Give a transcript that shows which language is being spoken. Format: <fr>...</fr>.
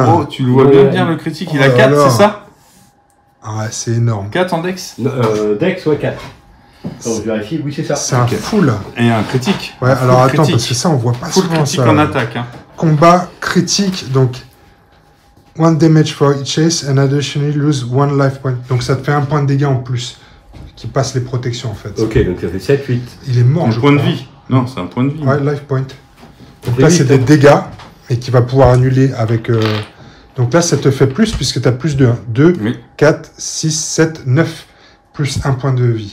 <fr>Tu le vois bien, le critique. Il a 4, c'est ça? Ouais, c'est énorme. 4 en dex? Dex, ouais, 4. Vérifie, oui, c'est ça. C'est un full. Et un critique. Ouais, un alors attends, critique. Parce que ça, on voit pas full souvent ça. Full critique en attaque. Hein. Combat critique, donc.</fr> <en>One damage for each chase and additionally lose one life point.</en> <fr>Donc ça te fait un point de dégâts en plus. Qui passe les protections en fait. Ok, donc ça fait 7, 8. Il est mort. Un point de vie. Non, c'est un point de vie. Ouais, life point. Donc là, c'est des dégâts. Et qui va pouvoir annuler avec. Donc là, ça te fait plus puisque t'as plus de 1. 2, 4, 6, 7, 9. Plus un point de vie.</fr>